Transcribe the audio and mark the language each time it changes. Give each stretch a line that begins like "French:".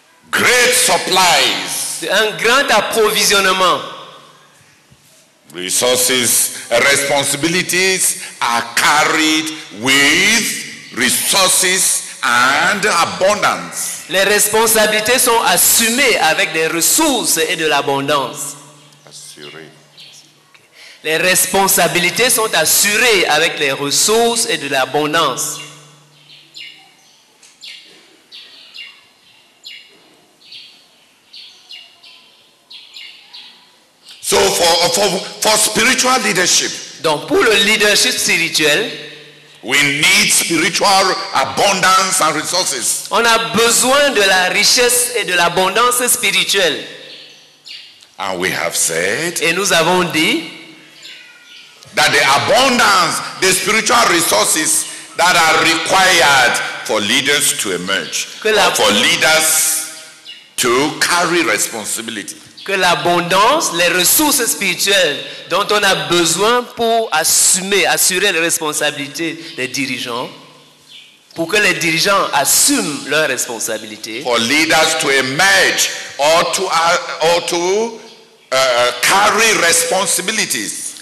English: Great supplies.
French: Un grand approvisionnement.
English: Resources, responsibilities are carried with resources and abundance.
French: Les responsabilités sont assumées avec des ressources et de l'abondance. Assurées. Les responsabilités sont assurées avec les ressources et de l'abondance.
English: So for spiritual leadership.
French: Donc pour le leadership spirituel,
English: we need spiritual abundance and resources.
French: On a besoin de la richesse et de l'abondance spirituelle.
English: And we have said,
French: et nous avons dit,
English: that the abundance, the spiritual resources that are required for leaders to emerge, for leaders to carry responsibility.
French: Que l'abondance, les ressources spirituelles dont on a besoin pour assurer les responsabilités des dirigeants, pour que les dirigeants assument leurs responsabilités.
English: For leaders to emerge or to carry responsibilities.